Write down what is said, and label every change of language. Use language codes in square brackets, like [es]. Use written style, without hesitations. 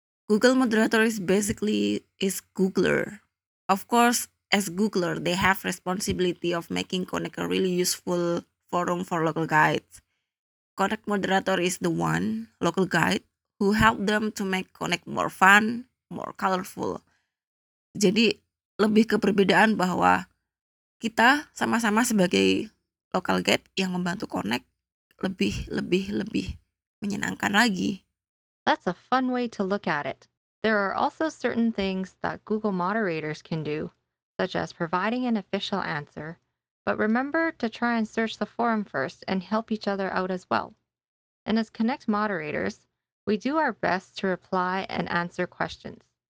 [en] Google moderator is basically is Googler. Of course, as Googler, they have responsibility of making Connect a really useful forum for local guides. Connect moderator is the one, local guide, who help them to make Connect more fun, more colorful. [id] Jadi, lebih ke perbedaan bahwa kita sama-sama sebagai local guide yang membantu Connect lebih menyenangkan lagi. [en] That's a fun way to look at it. There are also certain things that Google moderators can do, such as providing an official answer, but remember to try and search the forum first and help each other out as well. And as Connect moderators, we do our best to reply and answer questions.